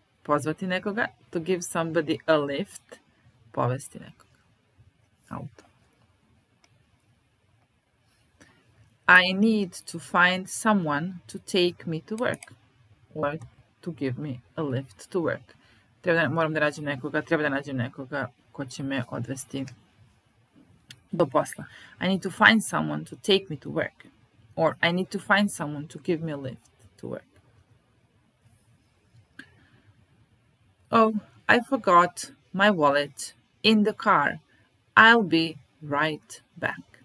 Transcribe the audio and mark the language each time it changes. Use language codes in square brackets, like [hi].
[sr] Pozvati nekoga, [en] to give somebody a lift, [sr] povesti nekoga, auto. [en] I need to find someone to take me to work, or to give me a lift to work. [sr] Treba da nađem nekoga ko će me odvesti do posla. [en] I need to find someone to take me to work, or I need to find someone to give me a lift to work. Oh, I forgot my wallet in the car. I'll be right back.